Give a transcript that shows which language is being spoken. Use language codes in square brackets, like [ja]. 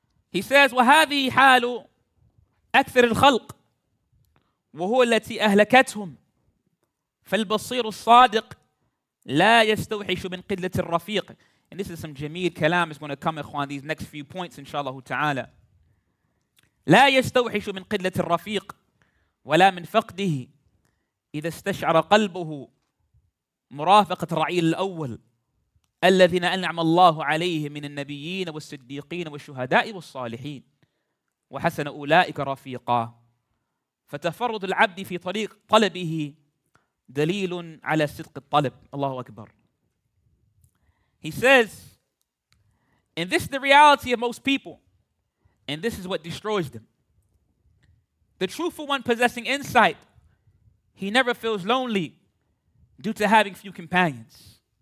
[en] He says, [ar] "وَهَذِي حَالُ أَكْثَرِ الْخَلْقِ وَهُوَ الَّتِي أَهْلَكَتْهُمْ فَالْبَصِيرُ الصَّادِقُ لَا يَسْتَوْحِشُ مِنْ قِلَّةِ الرَّفِيقِ." [en] And this is some jameel kalam is going to come, ikhwan, these next few points, inshallah ta'ala. [ar] لَا يَسْتَوْحِشُ مِنْ قِلَّةِ الرَّفِيقِ وَلَا مِنْ فَقْدِهِ إِذَا اسْتَشْعَرَ قَلْبُهُ مُرَافَقَةَ الرَّعِيلِ الْأَوَّلِ الذين أنعم الله عليهم من النبيين والصديقين والشهداء والصالحين وحسن أولئك رفيقا فتفرد العبد في طريق طلبه دليل على صدق الطلب. الله أكبر. [en] He says, and this is the reality of most people, and this is what destroys them. The truthful one possessing insight, he never feels lonely due to having few companions.